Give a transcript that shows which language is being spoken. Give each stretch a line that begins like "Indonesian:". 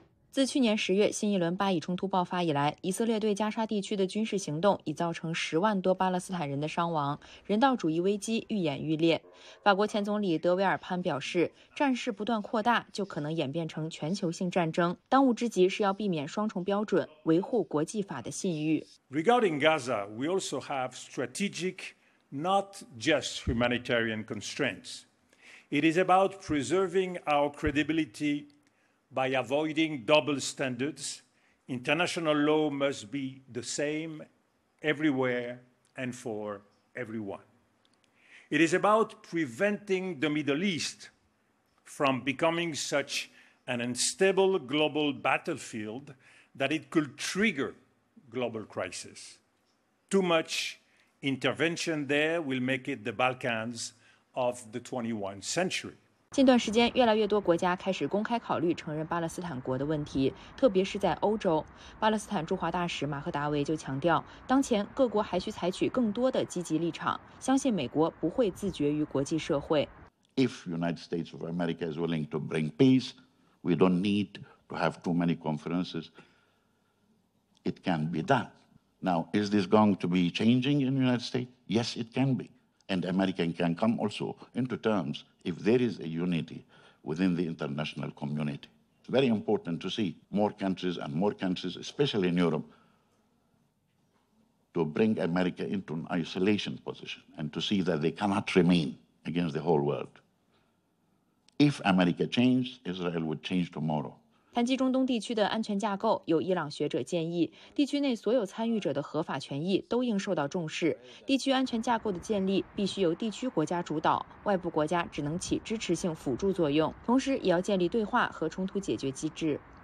Chinese: 自去年10月新一轮巴以冲突爆发以来，以色列对加沙地区的军事行动已造成10万多巴勒斯坦人的伤亡，人道主义危机愈演愈烈。法国前总理德维尔潘表示，战事不断扩大就可能演变成全球性战争，当务之急是要避免双重标准，维护国际法的信誉。
English: Regarding Gaza, we also have strategic, not just humanitarian constraints. It is about preserving our credibility. By avoiding double standards, international law must be the same everywhere and for everyone. It is about preventing the Middle East from becoming such an unstable global battlefield that it could trigger global crisis. Too much intervention there will make it the Balkans of the 21st century.
Chinese: 近段时间，越来越多国家开始公开考虑承认巴勒斯坦国的问题，特别是在欧洲。巴勒斯坦驻华大使马赫达维就强调，当前各国还需采取更多的积极立场，相信美国不会自绝于国际社会。
English: If United States of America is willing to bring peace, we don't need to have too many conferences. It can be done. Now, is this going to be changing in the United States? Yes, it can be. And America can come also into terms if there is a unity within the international community. It's very important to see more countries, especially in Europe, to bring America into an isolation position and to see that they cannot remain against the whole world. If America changed, Israel would change tomorrow.
Chinese: 谈及中东地区的安全架构，有伊朗学者建议，地区内所有参与者的合法权益都应受到重视。地区安全架构的建立必须由地区国家主导，外部国家只能起支持性辅助作用，同时也要建立对话和冲突解决机制。